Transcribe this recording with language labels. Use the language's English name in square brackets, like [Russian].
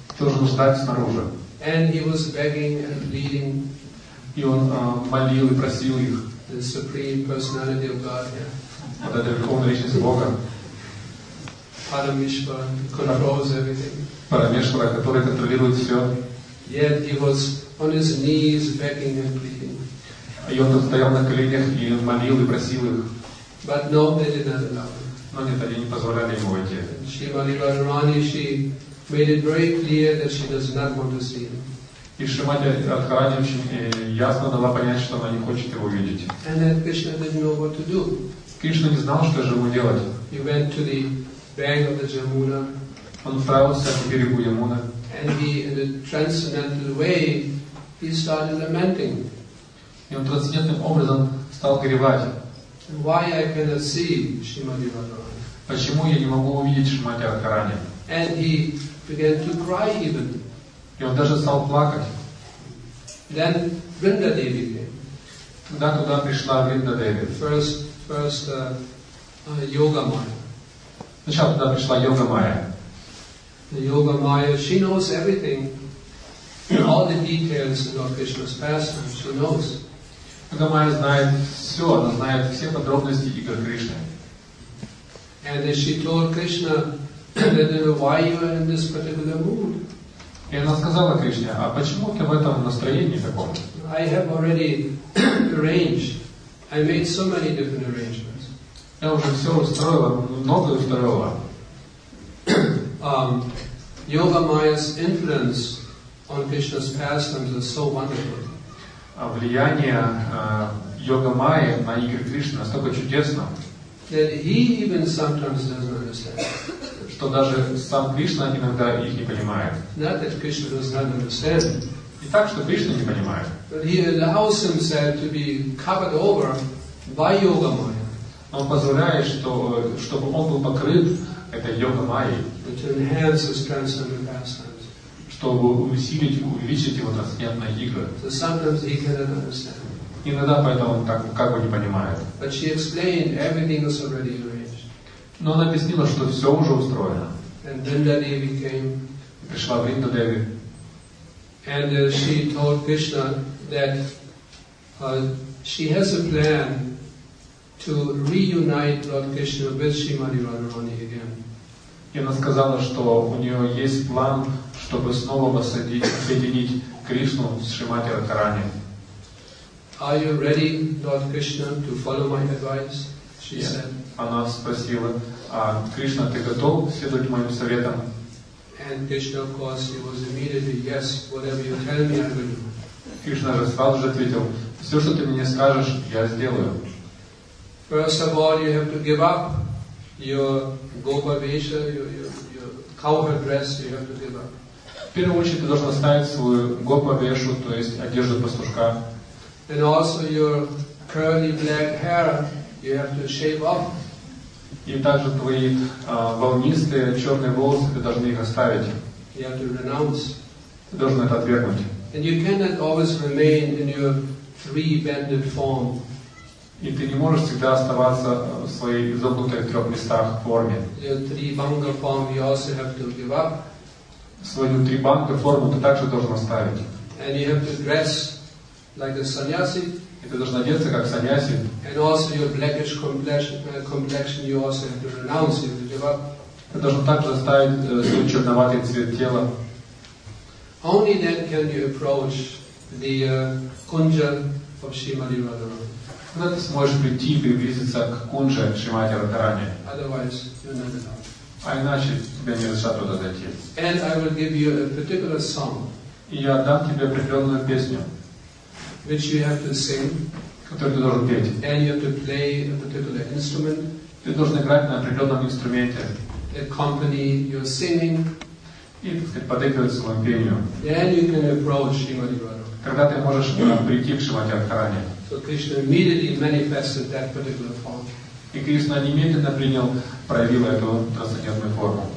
[Russian] Ты должен ждать снаружи. [English] And he was begging and pleading. [Russian] И он молил и просил их. [English] The Supreme Personality of Godhead. [Russian] Вот это Верховная Личность Бога. [English] Парамешвара, controls everything. [Russian] Парамешвара, который контролирует все. [English] Yet he was on his knees begging and pleading. [Russian] И он стоял на коленях и молил и просил их. [English] But no, they did not allow him. [Russian] Но нет, они не позволяли ему войти. [English] Шримати Радхарани, she made it very clear that she does not want to see him. [Russian] И Шримати Радхарани ясно дала понять, что она не хочет его видеть. [English] And then Krishna didn't know what to do. [Russian] Кришна не знал, что же ему делать. [English] He went to the bank of the Jamuna. [Russian] Он отправился к берегу Ямуны. [English] And he, in a transcendental way, he started lamenting. [Russian] И он трансцендентным образом стал горевать. [English] Why I cannot see Shrimati Radharani? [Russian] Почему я не могу увидеть Шримати Радхарани? [English] And he began to cry even. [Russian] И он даже стал плакать. [English] Then Vrinda Devi came. [Russian] Тогда туда пришла Vrinda Devi. [English] First, Yoga Maya. [Russian] Сначала туда пришла Йога Майя. [English] Yoga Maya, she knows everything. All the details of Krishna's pastime, she knows. [Russian] Йога Майя знает все, она знает все подробности игр Кришны. [English] And she told Krishna that why you are in this particular mood. [Russian] И она сказала Кришне, а почему ты в этом настроении таком? [English] I have already arranged. I made so many different arrangements. [Russian] Я уже все устроила, многое устроила. [English] Yoga Maya's influence on Krishna's pastimes is so wonderful. [Russian] Влияние Йога Майи на игры Кришны настолько чудесно, [English] that he even sometimes doesn't understand. [Russian] Что даже сам Кришна иногда их не понимает. [English] Not that Krishna does not understand. [Russian] И так, что Кришна не понимает. [English] But he allows himself to be covered over by Yoga Maya. [Russian] Он позволяет, чтобы он был покрыт этой Йога Майей. [English] To enhance his transcendental pastimes. [Russian] Чтобы увеличить его трансцендентные игры. [English] So sometimes he cannot understand. [Russian] Иногда поэтому он так как бы не понимает. [English] But she explained everything was already arranged. [Russian] Но она объяснила, что все уже устроено. [English] And Vrinda Devi came. [Russian] И пришла Vrinda Devi. [English] And she told Krishna that she has a plan to reunite Lord Krishna with Srimati Radharani again. [Russian] И она сказала, что у нее есть план, чтобы снова соединить Кришну с Шримати Радхарани. [English] Are you ready, Lord Krishna, to follow my advice? She said. [Russian] Она спросила, а Кришна, ты готов следовать моим советам? [English] And Krishna, of course, he was immediately, yes, whatever you tell me, I will do. [Russian] Кришна же сразу же ответил, все, что ты мне скажешь, я сделаю. [English] First of all, you have to give up your gopa vesha, your cowherd dress, you have to give up. [Russian] В первую очередь, ты должен оставить свою гопа вешу, то есть одежду пастушка. [English] And also your curly black hair, you have to shave off. [Russian] И также твои волнистые черные волосы, ты должен их оставить. [English] You have to renounce. [Russian] Ты должен это отвергнуть. [English] And you cannot always remain in your three-banded form. [Russian] И ты не можешь всегда оставаться в своей изогнутой в трех местах форме. [English] Your three-banged form, you also have to give up. [Russian] Свою три-банка форму ты также должен оставить. [English] And you have to dress like a sannyasi. [Russian] И ты должен одеться как саньяси. [English] And also your blackish complexion, you also have to renounce, you have to give up. [Russian] Ты должен также оставить свой черноватый цвет тела. [English] Only then can you approach the kunja of Srimati Radharani. [Russian] Когда ты сможешь прийти и приблизиться к кунже Шримати Радхарани. [English] Otherwise, you're not allowed. [Russian] А иначе тебе не разрешат туда зайти. [English] And I will give you a particular song. [Russian] И я дам тебе определенную песню. [English] Which you have to sing. [Russian] Которую ты должен петь. [English] And you have to play a particular instrument. [Russian] Ты должен играть на определенном инструменте. [English] Accompany your singing. [Russian] И, так сказать, подыгрывать своему пению. [English] Then you can approach Srimati Radharani. [Russian] Тогда ты можешь прийти к Шримати Радхарани. [English] So Krishna immediately manifested that particular form. [Russian] И Кришна немедленно принял, проявил эту трансцендентную форму.